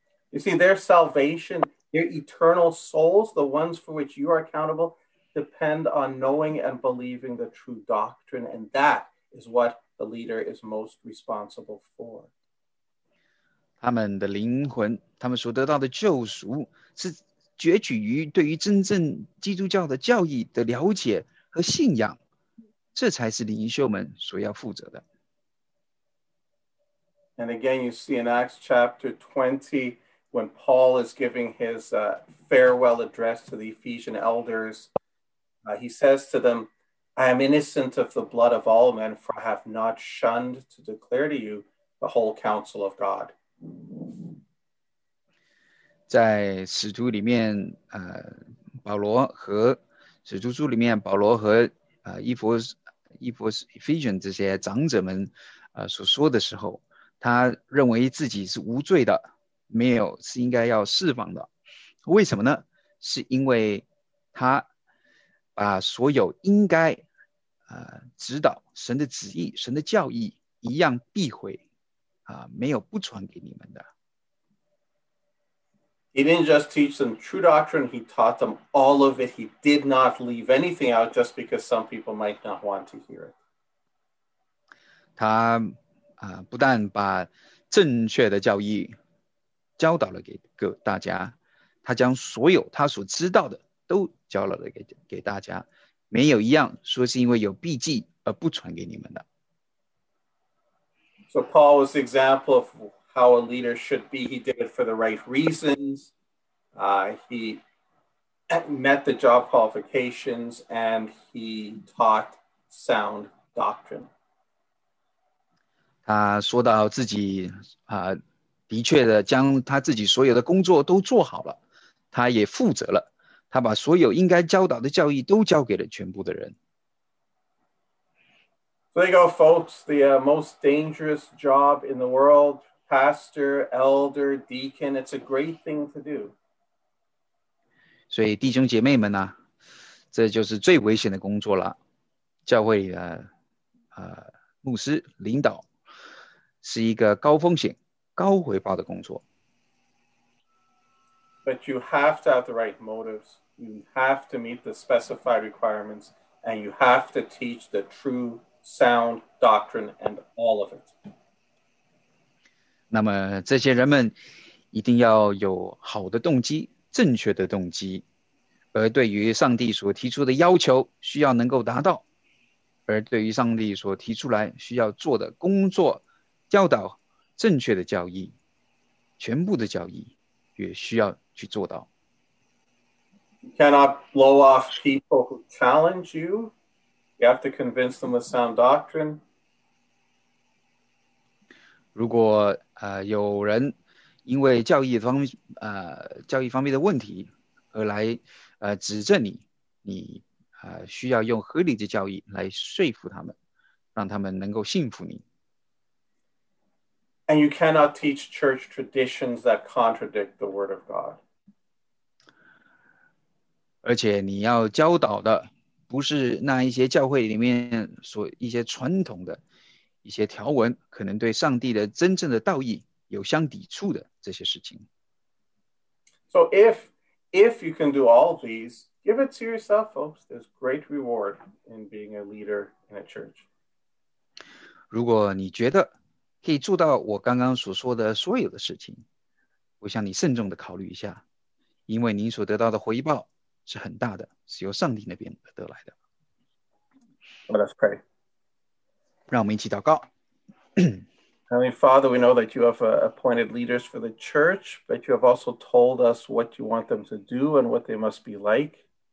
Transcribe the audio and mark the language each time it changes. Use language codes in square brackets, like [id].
[en] You see, their salvation, their eternal souls, the ones for which you are accountable, depend on knowing and believing the true doctrine, and that is what the leader is most responsible for. [zh] 他们的灵魂，他们所得到的救赎是攫取于对于真正基督教的教义的了解和信仰，这才是领袖们所要负责的。 [en] And again, you see in Acts chapter 20, when Paul is giving his farewell address to the Ephesian elders, he says to them, I am innocent of the blood of all men, for I have not shunned to declare to you the whole counsel of God. [zh] 在使徒里面，保罗和使徒书里面，保罗和Ephesian 这些长者们，所说的时候，他认为自己是无罪的，没有是应该要释放的。为什么呢？是因为他把所有应该指导神的旨意、神的教义一样避讳没有不传给你们的。 [en] He didn't just teach them true doctrine, he taught them all of it. He did not leave anything out just because some people might not want to hear it. [zh] 他不但把正确的教义教导了给大家，他将所有他所知道的都教导了 给大家，没有一样说是因为有避忌而不传给你们的。 [en] So Paul was the example of how a leader should be. He did it for the right reasons. He met the job qualifications and he taught sound doctrine. [zh] 他说到自己的确的将他自己所有的工作都做好了，他也负责了，他把所有应该教导的教义都交给了全部的人。 [en] So there you go, folks, the most dangerous job in the world, pastor, elder, deacon, it's a great thing to do. [zh] 所以弟兄姐妹们这就是最危险的工作了，教会的牧师领导。是一个高风险、高回报的工作。 [en] But you have to have the right motives. You have to meet the specified requirements, and you have to teach the true, sound doctrine and all of it. [zh] 那么这些人们一定要有好的动机、正确的动机，而对于上帝所提出的要求需要能够达到，而对于上帝所提出来需要做的工作教导正确的教义，全部的教义也需要去做到。 [en] You cannot blow off people who challenge you. You have to convince them with sound doctrine. [zh] 如果有人因为教义方教义方面的问题而来指正你，你需要用合理的教义来说服他们，让他们能够信服你。 [en] And you cannot teach church traditions that contradict the word of God. [zh] 而且你要教导的不是那一些教会里面所一些传统的、一些条文可能对上帝的真正的道义有相抵触的这些事情。 [en] So if you can do all these, give it to yourself, folks. There's great reward in being a leader in a church. [zh] 如果你觉得可以做到我刚刚所说的所有的事情，我向你慎重的考虑一下，因为您所得到的回报是很大的，是由上帝那边得来的。 [en] Let us pray. [zh] 让我们一起祷告。 [en] Heavenly Father, we know that you have appointed leaders for the church, but you have also told us what you want them to do and what they must be like.